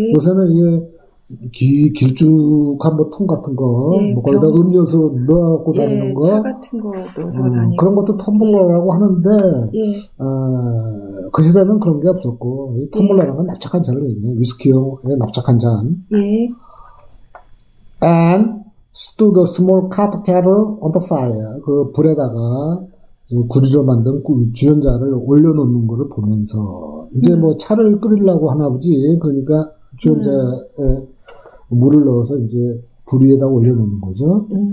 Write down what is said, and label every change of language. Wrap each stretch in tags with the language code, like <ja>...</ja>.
<ko>우선은 이게 길쭉한 뭐 통 같은 거, 예, 뭐 거기다 음료수 넣어갖고 예, 다니는 거, 차 같은 거 넣어서 다니는 그런 것도 텀블러라고 예. 하는데, 예. 그 시대는 그런 게 없었고, 이 텀블러라는 건 납작한 잔을 얘기해요. 위스키용의 납작한 잔. 예.</ko> <en>And stood a small copper kettle on the fire.</en> <ko>그 불에다가 구리로 만든 주연자를 올려놓는 거를 보면서, 이제 뭐 차를 끓이려고 하나 보지. 그러니까 주연자에 물을 넣어서 이제 불 위에다 올려놓는 거죠.</ko>